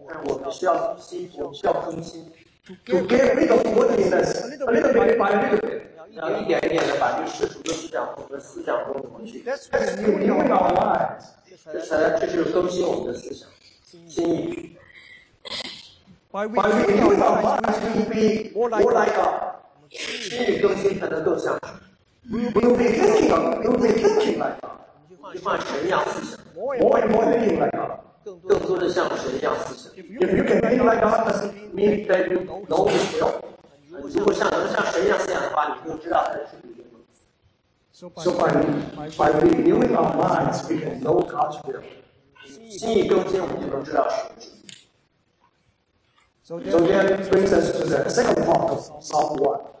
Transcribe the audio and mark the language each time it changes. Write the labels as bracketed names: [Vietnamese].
[Chinese] 但我们需要更新，我们需要更新。 [English] To get rid of worldliness a little bit by little bit. [Chinese] 要一点一点的把这世俗的思想和我们的思想都抹去。 [English] That's renewing our minds. [Chinese] 这就是更新我们的思想，心意。 [English] By renewing our minds, we will be more like God. [Chinese] 心意更新才能更像。 [English] We'll be thinking like God. [Chinese] 换神一样思想。 [English] More and more thinking like God. [Chinese] 更多的像神一样思想。 [English] If you can think like God, doesn't mean that you know His will. [Chinese] 如果能像神一样思想的话，你就知道他的旨意了。 [English] So by renewing our minds, we can know God's will. [Chinese] 心意更新，我们就能知道神的旨意。 [English] So that brings us to the second part of Psalm 1.